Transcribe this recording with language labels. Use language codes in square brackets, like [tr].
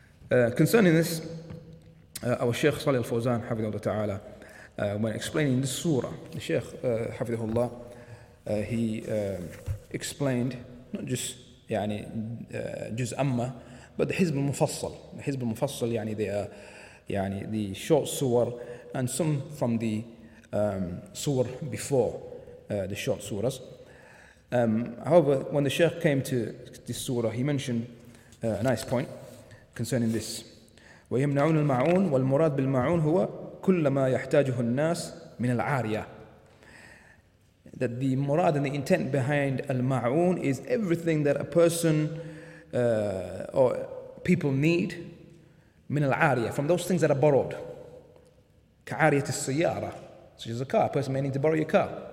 [en] Concerning this, our Shaykh Salih Al-Fawzan, Hafidhullah Ta'ala, when explaining this surah, the Shaykh Hafidhullah, he explained not just يعني, Juz Amma, but the Hizb Al-Mufassal. The Hizb Al-Mufassal, يعني, they are يعني, the short surah and some from the surah before the short surahs. However, when the Shaykh came to this surah, he mentioned a nice point. Concerning this. [ar] ويمنعون المعون والمراد بالمعون هو كل ما يحتاجه الناس من العارية. [en] That the murad and the intent behind al-ma'un is everything that a person or people need [ar] من العارية, [en] from those things that are borrowed. [ar] كعارية السيارة, [en] such as a car. A person may need to borrow your car.